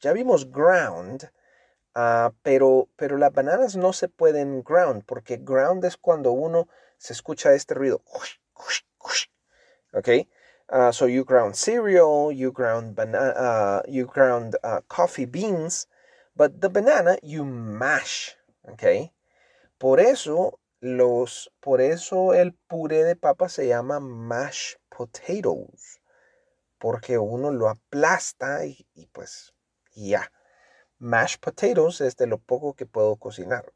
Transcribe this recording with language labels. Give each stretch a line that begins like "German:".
Spanish: Ya vimos ground, pero las bananas no se pueden ground, porque ground es cuando uno se escucha este ruido. Okay.
English: So you ground cereal, you ground banana, you ground coffee beans, but the banana you mash, okay?
Spanish: Por eso el puré de papa se llama mashed potatoes. Porque uno lo aplasta y pues ya.
English: Yeah.
Spanish: Mashed potatoes es de lo poco que puedo cocinar.